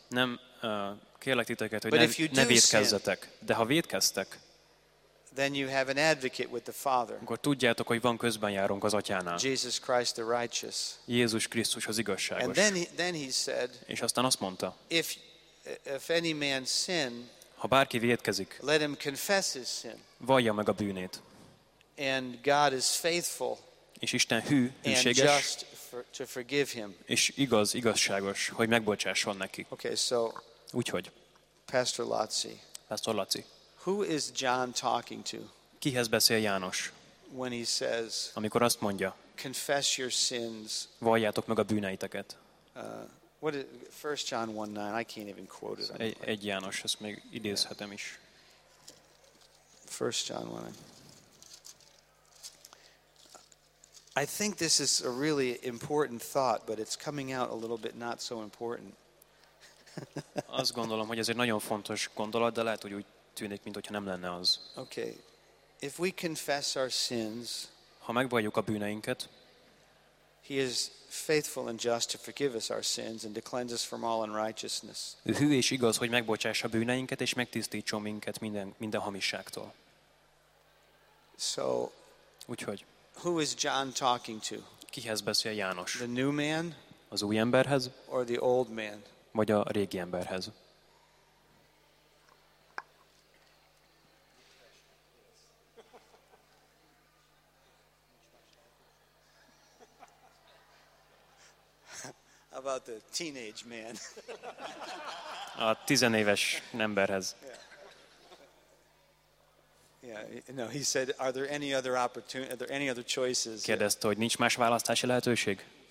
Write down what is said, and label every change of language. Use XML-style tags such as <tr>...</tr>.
<hu>Nem kérlek titeket, hogy ne vétkezzetek, de ha vétkeztek,</hu> <en>then you have an advocate with the Father.</en> <hu>Akkor tudjátok, hogy van közbenjárónk az Atyánál.</hu> <en>Jesus Christ the righteous.</en> <hu>Jézus Krisztus az igazságos.</hu> <en>And then he said,</en> <hu>és aztán azt mondta,</hu> <en>if any man sin,</en> <hu>ha bárki vétkezik,</hu> <en>let him confess his sin.</en> <hu>Vallja meg a bűnét.</hu> <en>And God is faithful.</en> <hu>És Isten hű, hűséges.</hu> <en>And just to forgive him.</en> <hu>És igaz, igazságos, hogy megbocsásson neki.</hu> <en>Okay, so.</en> <hu>Úgyhogy.</hu> <en>Pastor Laci. Who is John talking to?</en> <hu>Kihez beszél János?</hu> <en>When he says,</en> <hu>amikor azt mondja,</hu> <en>confess your sins.</en> <hu>Valljátok meg a bűneiteket.</hu> <en>What is 1 John 1:9? I can't even quote it.</en> <hu>Egy János, ezt még idézhetem is.</hu> <en>1 John 1:9. I think this is a really important thought, but it's coming out a little bit not so important.</en> <hu>Azt gondolom, hogy ez egy nagyon fontos gondolat, de lehet, hogy úgy tűnik, mint hogyha nem lenne az.</hu> <en>Okay. If we confess our sins,</en> <hu>ha megvalljuk a bűneinket,</hu> <en>he is faithful and just to forgive us our sins and to cleanse us from all unrighteousness.</en> <hu>Ő hű és igaz, hogy megbocsássa bűneinket és megtisztítson minket minden hamisságtól.</hu> <en>So,</en> <hu>úgyhogy,</hu> <en>who is John talking to?</en> <hu>Kihez beszél János?</hu> <en>The new man?</en> <hu>Az új emberhez?</hu> <en>Or the old man?</en> <hu>Vagy a régi emberhez?</hu> <en>About the teenage man.</en> <hu>A tizenéves emberhez.</hu> <en>Yeah. No, he said, are there any other opportunities? Are there any other choices?</en> <hu>Kérdezte, hogy nincs más választási lehetőség?</hu>